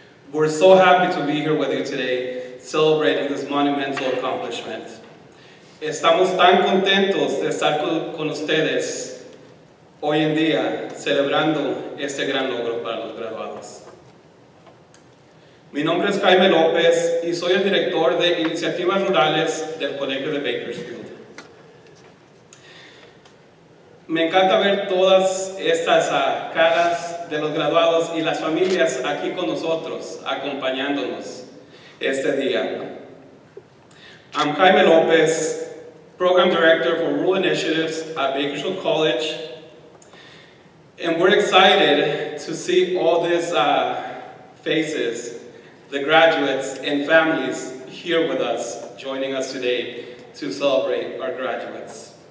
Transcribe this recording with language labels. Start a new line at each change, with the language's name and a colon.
English: We're so happy to be here with you today celebrating this monumental accomplishment.
Spanish: Estamos tan contentos de estar con ustedes hoy en día celebrando este gran logro para los graduados. Mi nombre es Jaime López y soy el director de Iniciativas Rurales del Colegio de Bakersfield. Me encanta ver todas estas caras de los graduados y las familias aquí con nosotros, acompañándonos este día.
English: I'm Jaime López, Program Director for Rural Initiatives at Bakersfield College, and we're excited to see all these faces, the graduates and families here with us, joining us today to celebrate our graduates.